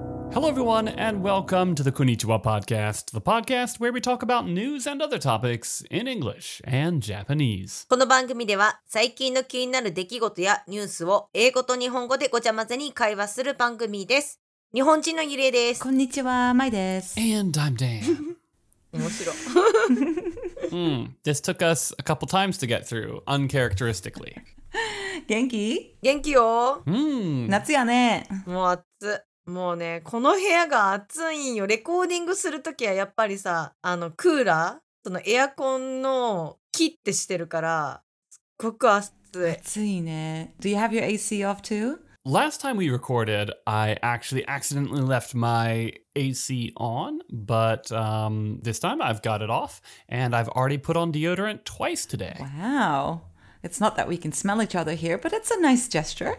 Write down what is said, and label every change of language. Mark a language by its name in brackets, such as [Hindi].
[English] Hello, everyone, and welcome to the Konnichiwa Podcast, the podcast where we talk about news and other topics in English and Japanese. [Japanese] この番組では最近の気になる出来事やニュースを英語と日本語でごちゃ混ぜに会話する番組です。日本人のゆりえです。こんにちは、まいです。 [English] And I'm Dan. [Japanese] 面白い。 [English] This took us a couple times to get through, uncharacteristically. [Japanese] 元気？元気よ。夏やね。もう暑。もうね、この部屋が暑いんよ。レコーディングするときはやっぱりさ、あのクーラー、そのエアコンの切ってしてるから、すっごく暑い。暑いね。 [English] Do you have your AC off too? Last time we recorded, I actually accidentally left my AC on, but this time I've got it off, and I've already put on deodorant twice today. Wow. It's not that we can smell each other here, but it's a nice gesture.